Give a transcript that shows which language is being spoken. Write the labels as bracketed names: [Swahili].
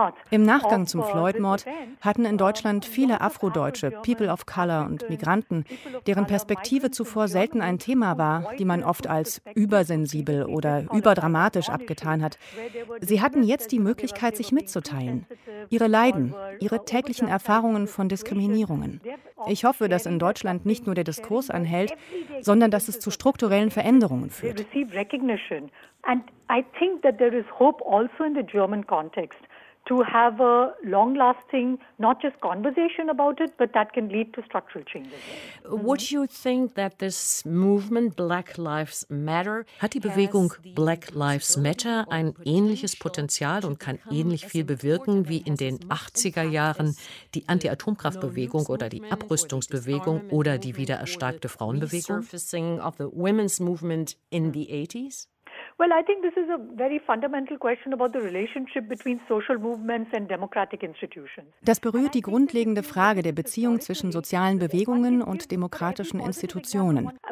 [German] Im Nachgang zum Floyd-Mord hatten in Deutschland viele Afrodeutsche, People of Color und Migranten, deren Perspektive zuvor selten ein Thema war, die man oft als übersensibel oder überdramatisch abgetan hat. Sie hatten jetzt die Möglichkeit, sich mitzuteilen, ihre Leiden, ihre täglichen Erfahrungen von Diskriminierungen. Ich hoffe, dass in Deutschland nicht nur der Diskurs anhält, sondern dass es zu strukturellen Veränderungen führt. [English] And I think that there is hope also in the German context to have a long-lasting, not just conversation about it, but that can lead to structural changes. Would you think that this movement Black Lives Matter [German] hat die Bewegung Black Lives Matter ein ähnliches Potenzial und kann ähnlich viel bewirken wie in den 80er Jahren die Anti-Atomkraft-Bewegung oder die Abrüstungsbewegung oder die wiedererstarkte Frauenbewegung? [English] Resurfacing of the women's movement in the 80s? Well, I think this is a very fundamental question about the relationship between social movements and democratic institutions. [German] Das berührt die grundlegende Frage der Beziehung zwischen sozialen Bewegungen und demokratischen Institutionen.